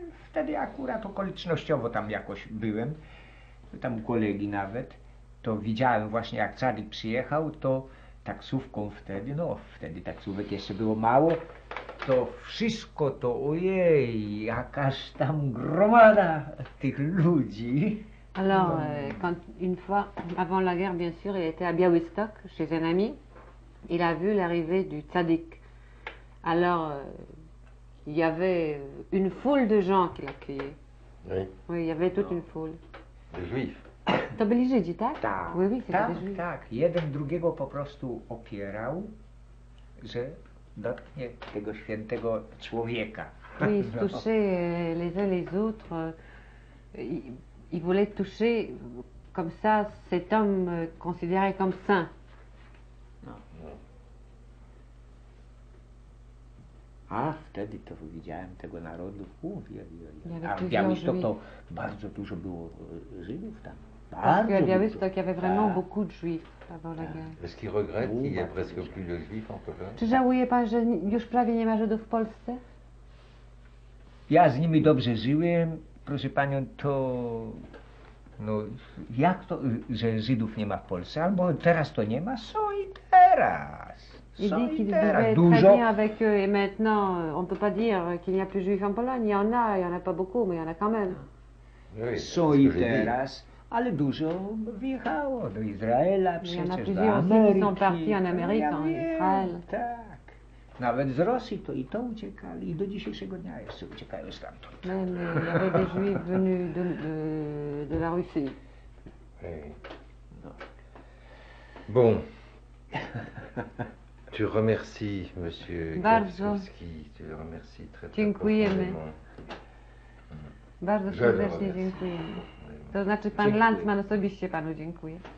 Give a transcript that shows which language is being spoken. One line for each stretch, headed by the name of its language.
Polish: Wtedy akurat okolicznościowo tam jakoś byłem, tam u kolegi nawet, to widziałem właśnie jak cadyk przyjechał, to taksówką wtedy, no wtedy taksówek jeszcze było mało, to wszystko to, ojej, jakaż tam gromada tych ludzi.
French: Alors, quand une fois, avant la guerre bien sûr, il était à Białystok, chez un ami, il a vu l'arrivée du tzadik. Alors, il y avait une foule de gens qui l'accueillaient. Oui. Oui, il y avait toute une foule. Des juifs.
Polish: To byli Żydzi, tak? Tak.
French: Oui, oui, c'était
Polish: tak,
French: des juifs.
Polish: Tak, jeden drugiego po prostu opierał, że dotknie tego świętego człowieka.
French: Oui, ils touchaient les uns les autres. Il voulait toucher comme ça cet homme considéré comme saint.
Polish: Ah, wtedy to widziałem tego narodu. Białystok to bardzo dużo było Żydów tam.
French: Parce qu'à Białystok, il y avait vraiment beaucoup de Juifs avant la guerre. Est-ce qu'il regrette qu'il n'y ait presque plus de Juifs en Pologne?
Polish: Czy żałuje pan, że już prawie nie ma Żydów w Polsce? Ja z nimi dobrze żyłem. Proszę panią, to no, jak to, że Żydów nie ma w Polsce, albo teraz to nie ma, są i teraz. Dużo.
French: Très bien avec eux et maintenant on peut pas dire qu'il n'y a plus juifs en Pologne, il y en a pas beaucoup, mais il y en a quand même.
Polish: Są i teraz, ale dużo wyjechało do Izraela, przecież do Ameryki.
French: Sont partis en Amérique, en Israël.
Polish: Nawet z Rosji to i to uciekali i do dzisiejszego dnia jeszcze uciekają stamtąd.
French: Même il y avait des juifs venus de la Russie. Bon. Tu remercies monsieur Gawkowski. Tu le remercies très très
Polish: dziękujemy. Bardzo serdecznie dziękuję. To znaczy pan Lantzman osobiście panu dziękuję.